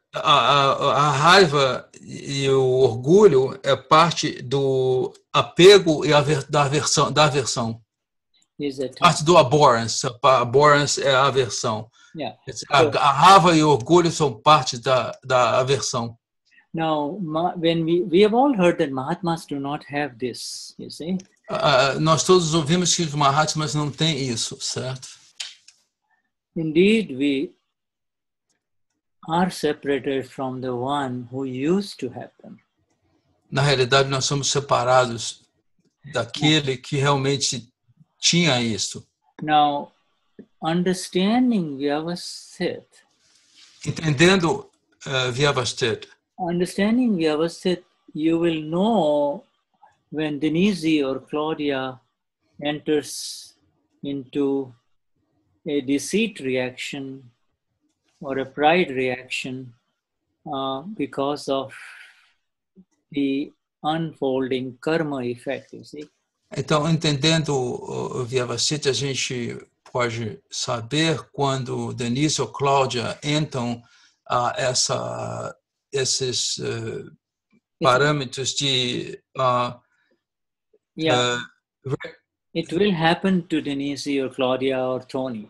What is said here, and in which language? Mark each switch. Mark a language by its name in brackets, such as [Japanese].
[Portuguese] A raiva e o orgulho é parte do apego e da aversão. [English] is a [Portuguese] parte do abhorrence. Abhorrence é a aversão. [English] Yeah. [Portuguese] A raiva e o orgulho são parte da aversão. [English] Now, when we have all heard that Mahatmas do not have this, you see? [Portuguese] Nós todos ouvimos que os Mahatmas não têm isso, certo? [English] Indeed, we are separated from the one who used to have them. [Portuguese] Na realidade, nós somos separados daquele que realmente tinha isso. [English] Now, understanding Vyavasthit. [Portuguese] Entendendo Vyavasthit. [English] Understanding Vyavasthit, you will know when Denise or Claudia enters into a deceit reaction or a pride reaction because of the unfolding karma effect, you see. [Portuguese] Então, entendendo Vyavasthit, a gente pode saber quando Denise ou Claudia entram a esses parâmetros de [English] It will happen to Denise or Claudia or Tony.